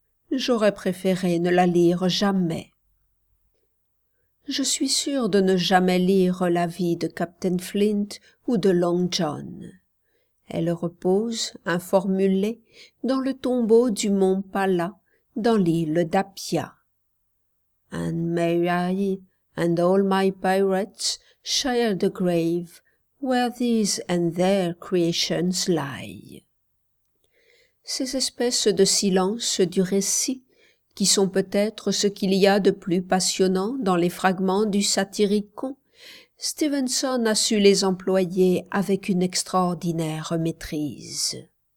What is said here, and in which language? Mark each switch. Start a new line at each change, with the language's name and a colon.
French: J'aurais préféré ne la lire jamais. Je suis sûre de ne jamais lire la vie de Captain Flint ou de Long John. Elle repose, informulée, dans le tombeau du mont Pala, dans l'île d'Apia.
English: And may I, and all my pirates, share the grave where these and their creations lie.
French: ces espèces de silence du récit qui sont peut-être ce qu'il y a de plus passionnant dans les fragments du Satyricon, Stevenson a su les employer avec une extraordinaire maîtrise.